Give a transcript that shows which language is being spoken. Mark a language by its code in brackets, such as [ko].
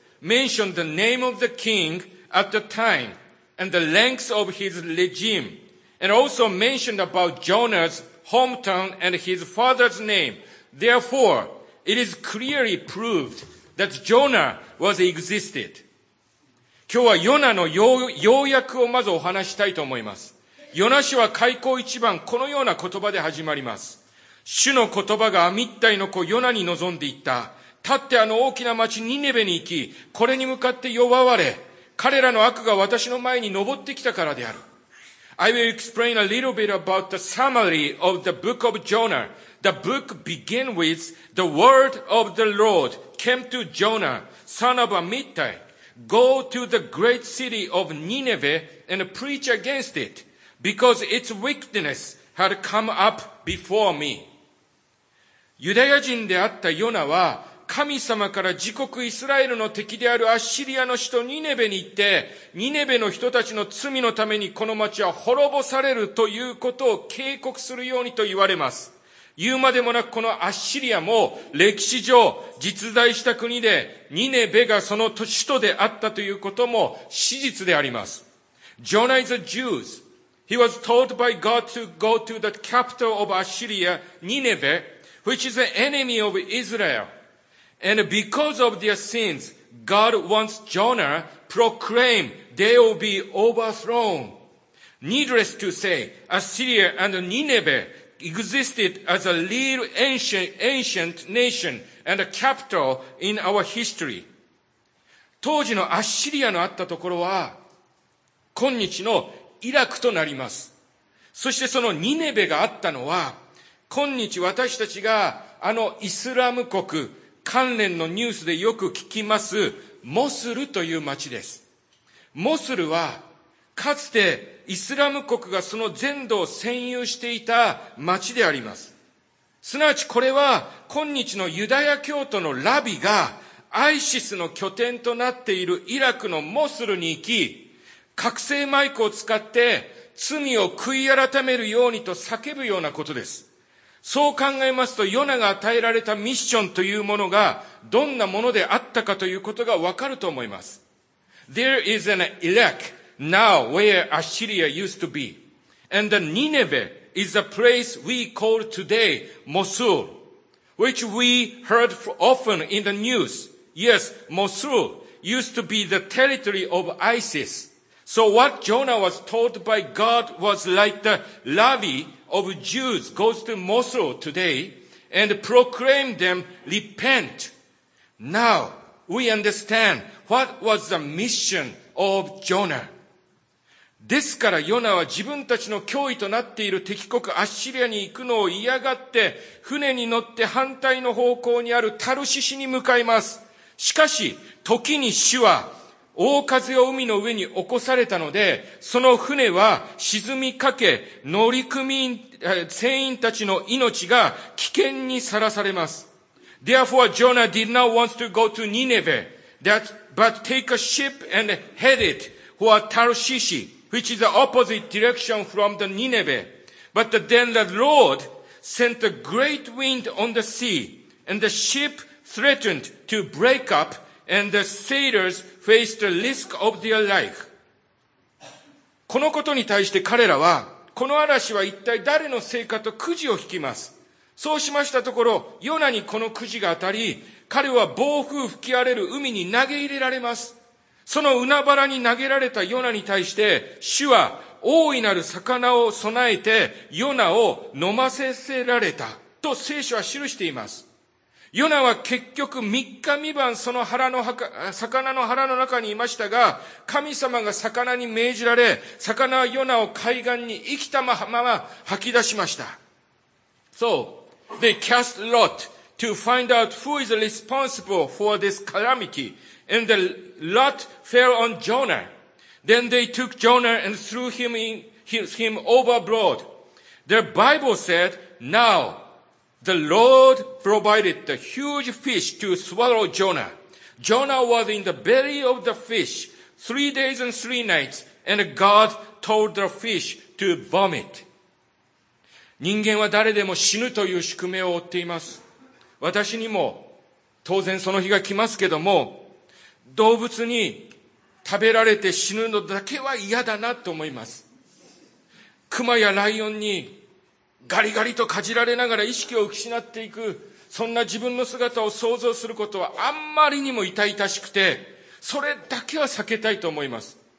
[en] Mentioned the name of the king at the time and the length of his regime, and also mentioned about Jonah's hometown and his father's name. Therefore, it is clearly proved that Jonah was existed. [ja] 今日はヨナの要約をまずお話したいと思います。ヨナ書は開口一番このような言葉で始まります。主の言葉がアミッタイの子ヨナに臨んでいった。立ってあの大きな町ニネベに行き、これに向かって呼ばわれ、彼らの悪が私の前に登ってきたからである。 [en] I will explain a little bit about the summary of the book of Jonah. The book begins with the word of the Lord came to Jonah, son of Amittai. Go to the great city of Nineveh and preach against it, because its wickedness had come up before me. [ja] ユダヤ人であったヨナは、神様から自国イスラエルの敵であるアッシリアの首都ニネベに行って、ニネベの人たちの罪のためにこの町は滅ぼされるということを警告するようにと言われます。言うまでもなくこのアッシリアも歴史上実在した国で、ニネベがその首都であったということも史実であります。 [en] Jonah is a Jew. He was told by God to go to the capital of Assyria, Nineveh, which is an enemy of Israel. And because of their sins, God wants Jonah proclaim they will be overthrown. Needless to say, Assyria and Nineveh existed as a real ancient nation and a capital in our history. [ja] 当時のアッシリアのあったところは、今日のイラクとなります。そしてそのニネベがあったのは、今日私たちがあのイスラム国関連のニュースでよく聞きますモスルという町です。モスルはかつてイスラム国がその全土を占有していた町であります。すなわちこれは今日のユダヤ教徒のラビがアイシスの拠点となっているイラクのモスルに行き、覚醒マイクを使って罪を悔い改めるようにと叫ぶようなことです。そう考えますと、ヨナが与えられたミッションというものがどんなものであったかということがわかると思います。 [en] There is an Iraq now where Assyria used to be. And the Nineveh is a place we call today Mosul. Which we heard often in the news. Yes, Mosul used to be the territory of ISIS. So what Jonah was told by God was like the Ravi of Jews goes to Mosul today and proclaim them repent. Now we understand what was the mission of Jonah. [ja] ですからヨナは自分たちの脅威となっている敵国アッシリアに行くのを嫌がって船に乗って反対の方向にあるタルシシに向かいます。しかし時に主は大風を海の上に起こされたので、その船は沈みかけ、乗組員船員たちの命が危険にさらされます。 [en] Therefore Jonah did not want to go to Nineveh but take a ship and headed for TarshishWhich is the opposite direction from the Nineveh. But then the Lord sent a great wind on the sea, and the ship threatened to break up, and the sailors faced the risk of their life. [ja] このことに対して彼らは、この嵐は一体誰のせいかとくじを引きます。そうしましたところ、ヨナにこのくじが当たり、彼は暴風吹き荒れる海に投げ入れられます。その海原に投げられたヨナに対して、主は大いなる魚を備えてヨナを飲ませせられたと聖書は記しています。ヨナは結局三日三晩その腹の墓、魚の腹の中にいましたが、神様が魚に命じられ、魚はヨナを海岸に生きたまま吐き出しました。 [en] So, they cast lot to find out who is responsible for this calamity. And the lot fell on Jonah. Then they took Jonah and threw him overboard. The Bible said, Now the Lord provided the huge fish to swallow Jonah. Jonah was in the belly of the fish 3 days and 3 nights, and God told the fish to vomit. [ja] 人間は誰でも死ぬという宿命を負っています。私にも当然その日が来ますけども、動物に食べられて死ぬのだけは嫌だなと思います。熊やライオンにガリガリとかじられながら意識を失っていく、そんな自分の姿を想像することはあんまりにも痛々しくて、それだけは避けたいと思います。